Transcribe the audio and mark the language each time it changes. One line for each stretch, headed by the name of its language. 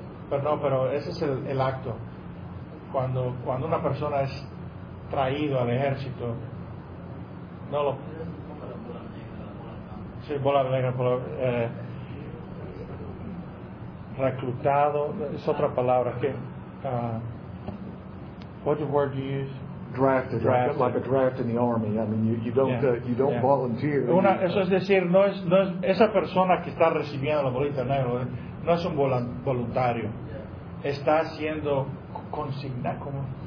Spanish: Pero no, pero ese es el acto. Cuando una persona es traído al ejército, no lo. Sí, bola negra, reclutado, es otra palabra que.
English: What word do you use? Drafted, like a draft in the army. I mean, you don't volunteer.
Spanish: Una, eso es decir, no es esa persona que está recibiendo la bolita negra, no es un voluntario. Está siendo consignado, como